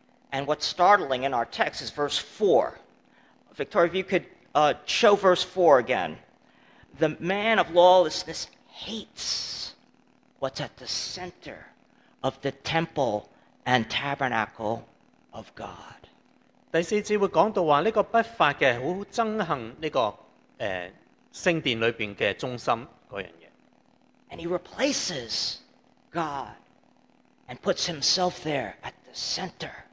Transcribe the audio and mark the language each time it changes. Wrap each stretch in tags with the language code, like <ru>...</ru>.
<en>And what's startling in our text is verse 4. Victoria, if you could show verse 4 again. The man of lawlessness hates what's at the center of the temple and tabernacle of God.</en> <zh>第四节会讲到说,这个不法的,很憎恨这个圣殿里面的中心那样东西。</zh> <en>And he replaces God and puts himself there at the center.</en>